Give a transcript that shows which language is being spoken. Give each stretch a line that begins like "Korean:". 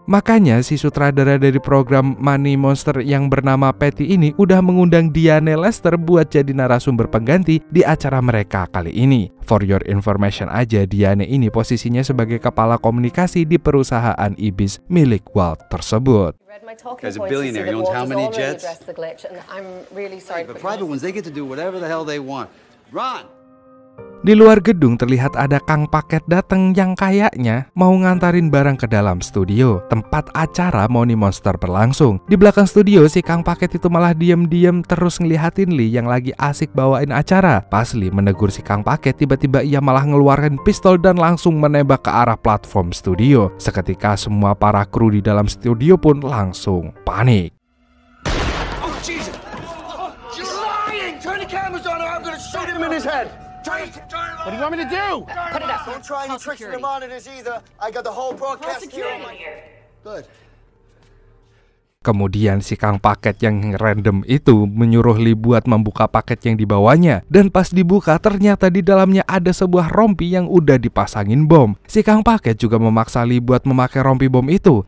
Indonesian: Makanya si sutradara dari program Money Monster yang bernama Patty ini udah mengundang Diane Lester buat jadi narasumber pengganti di acara mereka kali ini.
English: For your information
Indonesian: aja, Diane ini posisinya sebagai kepala komunikasi di perusahaan Ibis milik Walt tersebut.
English: As a billionaire, he owns how many jets? I'm really sorry. The private ones, they get to do whatever the hell they want. Run!
Indonesian: Di luar gedung terlihat ada Kang Paket datang yang kayaknya mau ngantarin barang ke dalam studio tempat acara Money Monster berlangsung. Di belakang studio si Kang Paket itu malah diem-diem terus ngelihatin Lee yang lagi asik bawain acara. Pas Lee menegur si Kang Paket, tiba-tiba ia malah ngeluarin pistol dan langsung menembak ke arah platform studio. Seketika semua para kru di dalam studio pun langsung panik.
English: Oh, Jesus. Oh, you're lying. Turn the cameras on or I'm gonna shoot him in his head. What do you want me to do? Put it up. Don't try any tricks in the monitors either. I got the whole broadcast here. Good.
Indonesian: Kemudian si Kang Paket yang random itu menyuruh Lee buat membuka paket yang dibawanya. Dan pas dibuka, ternyata di dalamnya ada sebuah rompi yang udah dipasangin bom. Si Kang Paket juga memaksa Lee buat memakai rompi bom itu.